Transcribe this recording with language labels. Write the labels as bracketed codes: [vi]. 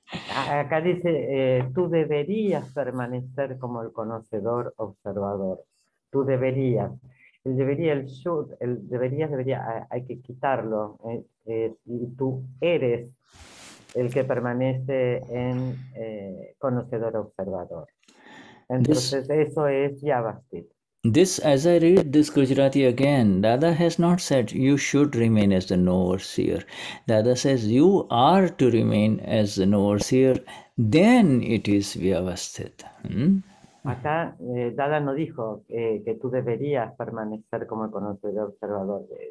[es] Acá dice, tú deberías permanecer como el conocedor observador. Tú deberías. El debería, el should, el deberías, debería, hay que quitarlo. Y tú eres el que permanece en conocedor observador. Entonces, this, eso es Vyavasthit. [en] This, as I read this Gujarati again, Dada has not said you should remain as the knower-seer. Dada says you are to remain as the knower-seer, then it is Vyavasthit. [es] Acá Dada no dijo que tú deberías permanecer como el conocedor observador.